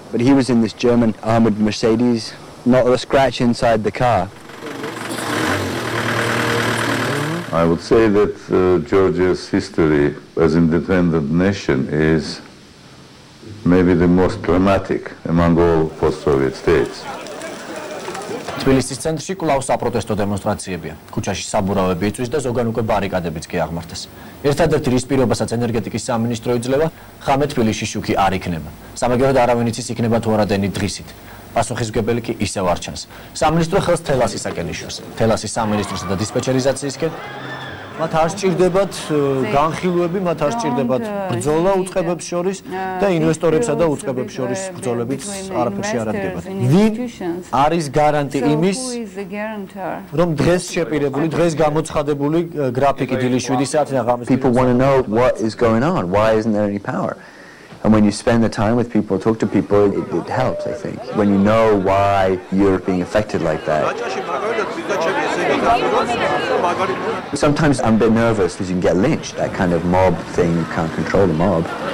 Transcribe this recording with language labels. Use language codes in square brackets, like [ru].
[en] But he was in this German armored Mercedes, not a scratch inside the car. I would say that Georgia's history as an independent nation is maybe the most dramatic among all post-Soviet states. [ka] თბილისის ცენტრში კვლავ საპროტესტო დემონსტრაციები. ქუჩაში საბურავები იწვის და ზოგან უკვე ბარიკადებიც კი აღმართეს. ერთადერთი რის პირობასაც ენერგეტიკის სამინისტრო იძლევა, ხამე თბილისში შუქი არ იქნება. სამაგეროდ არავინ იცის იქნება თუ არა დენი დღისით. პასუხისგებელი კი ისევ არ ჩანს. სამინისტრო ხელს თელასისაკენ იშვის. თელასის სამინისტროსა და დისპეჩერიზაციისკენ მათ არ სჭირდებათ განხილვები, მათ არ სჭირდებათ ბრძოლა უწყებებს შორის და ინვესტორებსა და უწყებებს შორის ბრძოლებით არაფერში არ ადგებათ. ვინ არის გარანტი იმის, რომ დღეს შეპირებული, დღეს გამოცხადებული გრაფიკი დილის 7 საათიდან ღამის. [en] People want to know what is going on, why isn't there any power? And when you spend the time with people, talk to people, it helps, I think. When you know why you're being affected like that. Sometimes I'm a bit nervous because you can get lynched, that kind of mob thing, you can't control the mob.